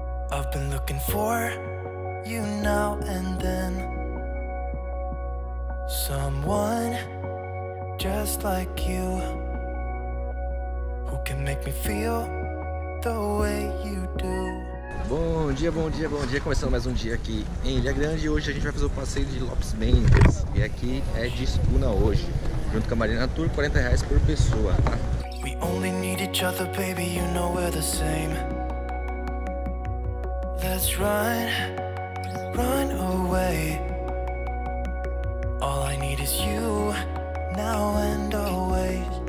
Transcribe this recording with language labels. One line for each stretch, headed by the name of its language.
English: I've been looking for you now and then. Someone just like you, who can make me feel the way you do.
Portuguese: Bom dia, bom dia, bom dia. Começando mais um dia aqui em Ilha Grande. Hoje a gente vai fazer o passeio de Lopes Mendes. E aqui é de Espuna hoje. Junto com a Marina Tour, R$40 por pessoa, tá?
English: We only need each other, baby, you know we're the same. Let's run, run away. All I need is you, now and always.